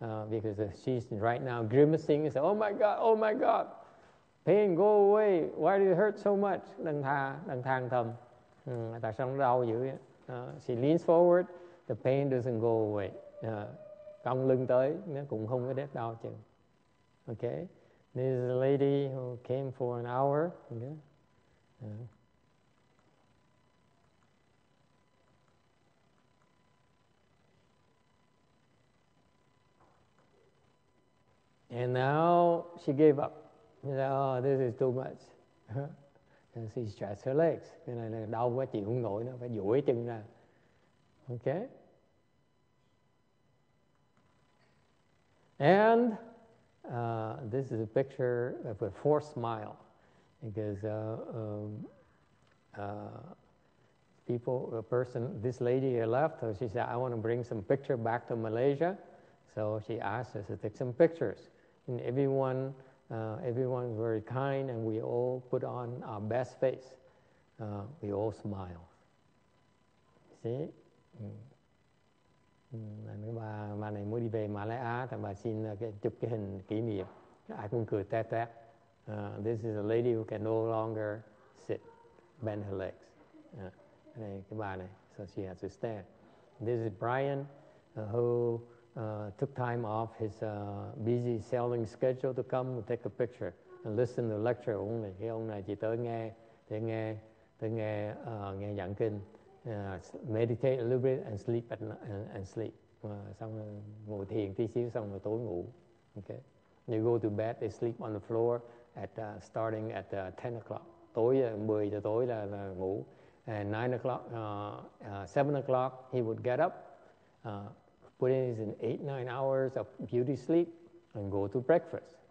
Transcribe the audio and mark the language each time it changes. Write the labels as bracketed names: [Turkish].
[English] Because she's right now grimacing and say, oh my God, pain, go away. Why do you hurt so much? [Vietnamese] Đang than thầm. Tại sao nó đau dữ vậy? [English] She leans forward, the pain doesn't go away. [Vietnamese] Cong lưng tới, nó cũng không có đét đau chừng. [English] Okay, this is a lady who came for an hour. Okay. And now she gave up. She said, oh, this is too much. And she stretched her legs. [Vietnamese] Cái này là đau quá chịu không nổi nữa, phải duỗi chân ra. [English] Okay. And this is a picture of a forced smile. Because this lady here left, so she said, I want to bring some picture back to Malaysia. So she asked us to take some pictures. And everyone was very kind, and we all put on our best face. We all smile. See? [Vietnamese] Nên cái bà này mới đi về Mã Lai Á, thì bà xin chụp cái hình kỷ niệm. Ai cũng cười tét tét. [English] This is a lady who can no longer sit, bend her legs. [Vietnamese] Này cái bà này, [English] so she has to stand. This is Brian, who took time off his busy sailing schedule to come and take a picture and listen to the lecture. [Vietnamese] Ông này, cái ông này chỉ tới nghe giảng kinh, [English] meditate a little bit and sleep sleep. [Vietnamese] Xong ngồi thiền tí xíu xong rồi tối ngủ. [English] Okay. They go to bed, they sleep on the floor starting at 10 o'clock. [Vietnamese] Tối 10 giờ tối là ngủ. [English] And 9 o'clock, 7 o'clock, he would get up. Put in his 8-9 hours of beauty sleep and go to breakfast.